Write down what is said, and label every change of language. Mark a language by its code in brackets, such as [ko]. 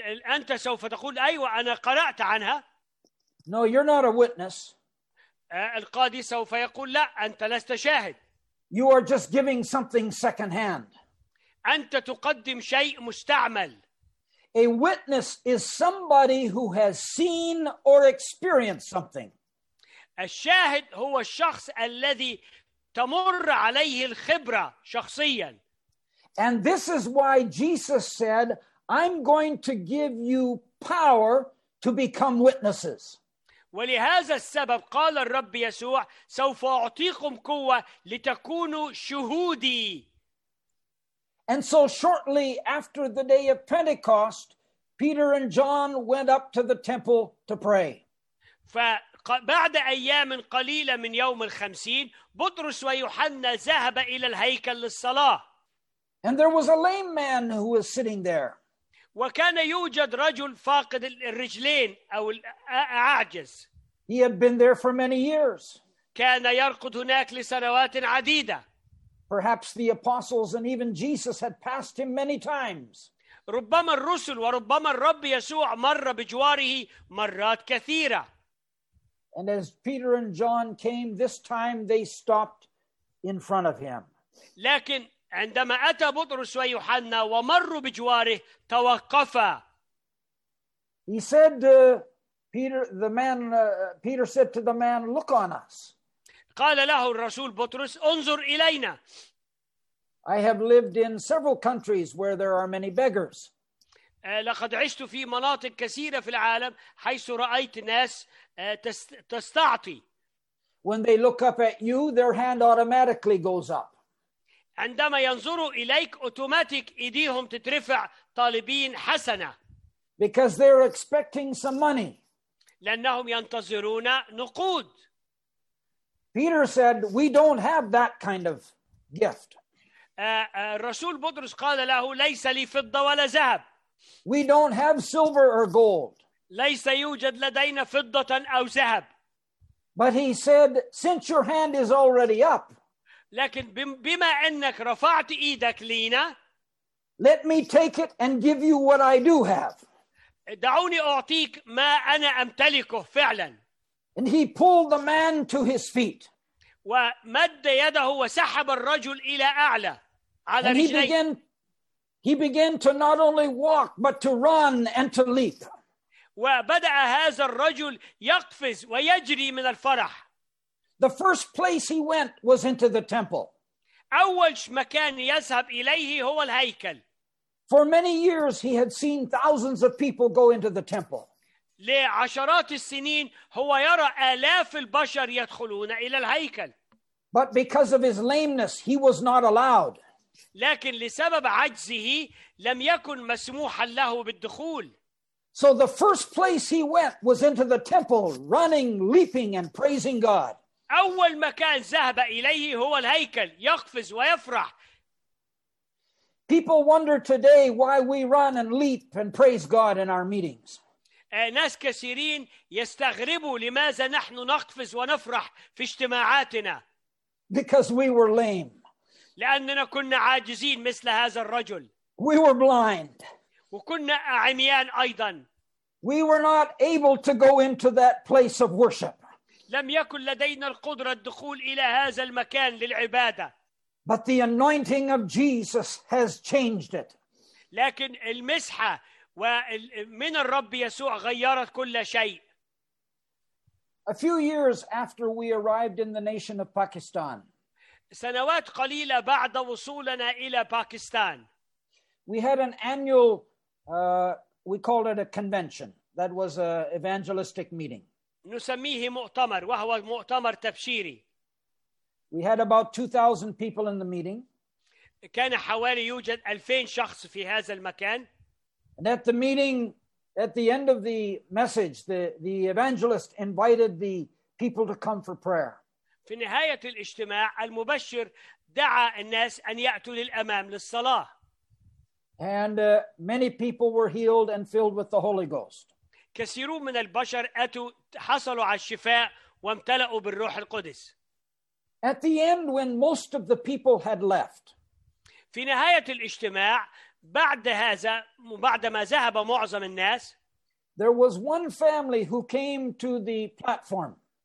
[ar] أنت سوف تقول أيوة أنا قرأت عنها. [en] No, you're not a witness. [ar] القاضي سوف يقول لا أنت لست شاهد. [en] You are just giving something second hand. [ar] أنت تقدم شيء مستعمل. [en] A witness is somebody who has seen or experienced something. [ar] الشاهد هو الشخص الذي تمر عليه الخبرة شخصيا. [en] And this is why Jesus said, I'm going to give you power to become witnesses. [ar] ولهذا السبب قال الرب يسوع سوف أعطيكم قوة لتكونوا شهودي. [en] And so shortly after the day of Pentecost, Peter and John went up to the temple to pray. [ar] فبعد أيام قليلة من يوم الخمسين بطرس ويوحنا ذهب إلى الهيكل للصلاة. [en] And there was a lame man who was sitting there. [ar] وكان يوجد رجل فاقد الرجلين أو عاجز. [en] He had been there for many years. [ar] كان يركض هناك لسنوات عديدة. [en] Perhaps the apostles and even Jesus had passed him many times. [ar] ربما الرسل وربما الرب يسوع مر بجواره مرات كثيرة. [en] And as Peter and John came, this time they stopped in front of him. [ar] لكن عندما أتى بطرس ويوحنا ومروا بجواره توقفا. [en] He said, "Peter, the man. Peter said to the man, 'Look on us.'" [ar] قال له الرسول بطرس انظر إلينا. [en] I have lived in several countries where there are many beggars. [ar] لقد عشت في مناطق كثيرة في العالم حيث رأيت ناس تستعطي. [en] When they look up at you, their hand automatically goes up. [ar] عندما ينظروا إليك أوتوماتيك إيديهم تترفع طالبين حسنة. [en] Because they're expecting some money. [ar] لأنهم ينتظرون نقود. [en] Peter said, "We don't have that kind of gift." [ar] الرسول بطرس قال له ليس لي فضة ولا ذهب. [en] We don't have silver or gold. [ar] ليس يوجد لدينا فضة أو ذهب. [en] But he said, since your hand is already up, [ar] لكن بما انك رفعت ايدك لينا, [en] let me take it and give you what I do have. [ar] دعوني اعطيك ما انا امتلكه فعلا. [en] And he pulled the man to his feet. [ar] ومد يده وسحب الرجل الى اعلى على رجليه. [en] And he began to not only walk but to run and to leap. [ar] وبدأ هذا الرجل يقفز ويجري من الفرح. [en] The first place he went was into the temple. [ar] أول مكان يذهب إليه هو الهيكل. [en] For many years he had seen thousands of people go into the temple. [ar] لعشرات السنين هو يرى آلاف البشر يدخلون إلى الهيكل. [en] But because of his lameness he was not allowed. [ar] لكن لسبب عجزه لم يكن مسموحا له بالدخول. [en] So the first place he went was into the temple, running, leaping, and praising God. [ar] أول مكان ذهب إليه هو الهيكل يقفز ويفرح. [en] People wonder today why we run and leap and praise God in our meetings. [ar] ناس كثيرين يستغربوا لماذا نحن نقفز ونفرح في اجتماعاتنا. [en] Because we were lame. [ar] لأننا كنا عاجزين مثل هذا الرجل. [en] We were blind. [ar] وكنا عميان أيضا. [en] We were not able to go into that place of worship. [ar] لم يكن لدينا القدرة الدخول إلى هذا المكان للعبادة. [en] But the anointing of Jesus has changed it. [ar] لكن المسحة ومن الرب يسوع غيرت كل شيء. [en] A few years after we arrived in the nation of Pakistan. [ar] سنوات قليلة بعد وصولنا إلى باكستان. [en] We had an annual, we called it a convention. That was an evangelistic meeting. [ar] نسميه مؤتمر وهو مؤتمر تبشيري. [en] We had about 2,000 people in the meeting. [ar] كان حوالي يوجد 2,000 شخص في هذا المكان. [en] And at the meeting, at the end of the message, the evangelist invited the people to come for prayer. [ar] في نهاية الاجتماع المبشر دعا الناس أن يأتوا للأمام للصلاة. [en] And many people were healed and filled with the Holy Ghost. [ar] كثيرون من البشر أتوا حصلوا على الشفاء وامتلأوا بالروح القدس. [en] At the end, when most of the people had left. [ar] في نهاية الاجتماع بعد هذا بعد ما ذهب معظم الناس. [en] There was one family who came to the platform.